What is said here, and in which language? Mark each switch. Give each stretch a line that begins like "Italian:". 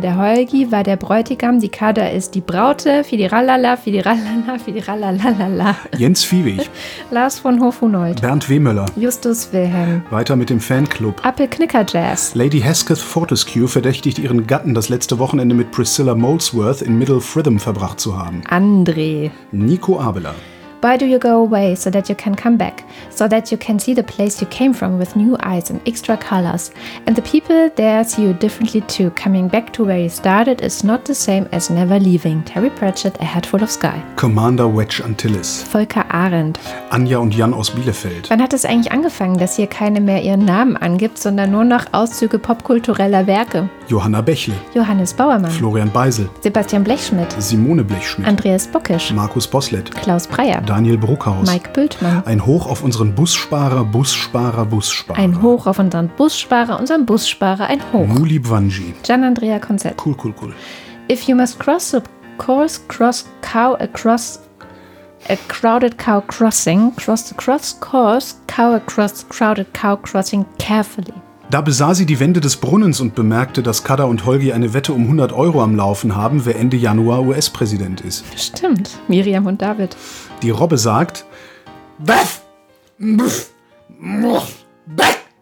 German: Der Holgi war der Bräutigam, die Kada ist die Braute, Fidirallala, Fidirallala, Fidirallala. Jens Fiewig. Lars von Hofunold. Bernd Wehmöller. Justus Wilhelm. Weiter mit dem Fanclub. Apple Knicker Jazz. Lady Hesketh Fortescue verdächtigt ihren Gatten, das letzte Wochenende mit Priscilla Molesworth in Middle Frithem verbracht zu haben. André. Nico Abela.
English: Why do you go away, so that you can come back? So that you can see the place you came from with new eyes and extra colors. And the people there see you differently too. Coming back to where you started is not the same as never leaving. Terry Pratchett, A Head Full of Sky. Commander Wedge Antilles.
German: Volker Arendt. Anja und Jan aus Bielefeld. Wann hat es eigentlich angefangen, dass hier keine mehr ihren Namen angibt, sondern nur noch Auszüge popkultureller Werke? Johanna Bechle. Johannes Bauermann. Florian Beisel. Sebastian Blechschmidt. Simone Blechschmidt. Andreas Bockisch. Markus Bosslet. Klaus Breyer. Daniel Bruckhaus. Mike Bildmann. Ein Hoch auf unseren Bussparer, Bussparer, Bussparer. Ein Hoch auf unseren Bussparer, ein Hoch.
Nyanja: Muli Bwanji.
German: Gian-Andrea Konzett.
English: Cool, cool, cool. If you must cross a course, cross cow across a crowded cow crossing, cross the cross course, cow across crowded cow crossing carefully.
German: Da besah sie die Wände des Brunnens und bemerkte, dass Kada und Holgi eine Wette um 100 Euro am Laufen haben, wer Ende Januar US-Präsident ist. Stimmt, Miriam und David. Die Robbe sagt, Bef, Bef, Bef, Bef,